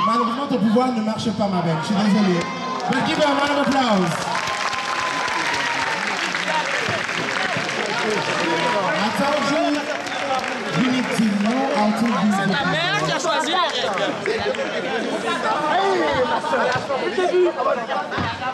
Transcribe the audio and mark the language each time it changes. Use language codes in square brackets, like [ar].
[fr] Malheureusement, ton pouvoir ne marche pas, ma belle. Je suis désolé. [en] But give her a round of applause. I told you, you need to know how to do it. [fr] C'est ta mère qui a choisi la règle.